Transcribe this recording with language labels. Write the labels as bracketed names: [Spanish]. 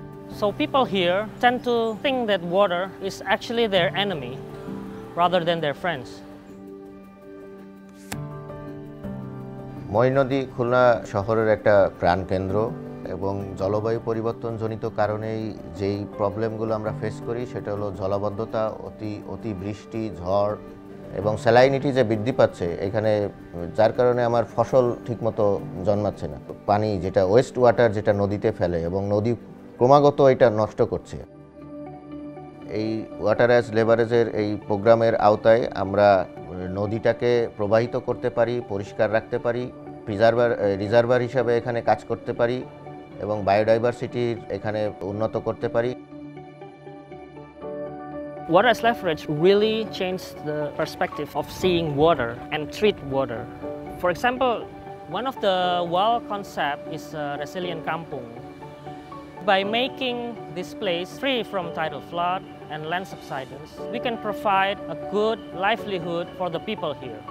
[English] So people here tend to think that water is actually their enemy rather than their friends. [Bangla] মই নদী খুলনা শহরের একটা প্রাণকেন্দ্র এবং জলবায়ু পরিবর্তনজনিত কারণে যেই প্রবলেমগুলো আমরা ফেস করি সেটা হলো জলাবদ্ধতা অতি বৃষ্টি ঝড় এবং স্যালাইনিটি যে বৃদ্ধি পাচ্ছে এখানে যার কারণে আমার ফসল ঠিকমতো জন্মাচ্ছে না পানি যেটা ওয়েস্ট ওয়াটার যেটা নদীতে ফেলে এবং নদী ক্রমাগত এটা নষ্ট করছে এই ওয়াটার অ্যাজ লেভারেজের এই প্রোগ্রামের আওতায় আমরা নদীটাকে প্রবাহিত করতে পারি পরিষ্কার রাখতে পারি রিজার্ভার হিসাবে এখানে কাজ করতে পারি এবং বায়োডাইভার্সিটি এখানে উন্নত করতে পারি [English] Water leverage really changed the perspective of seeing water and treat water. For example, one of the wild concept is a resilient kampung. By making this place free from tidal flood and land subsidence, we can provide a good livelihood for the people here.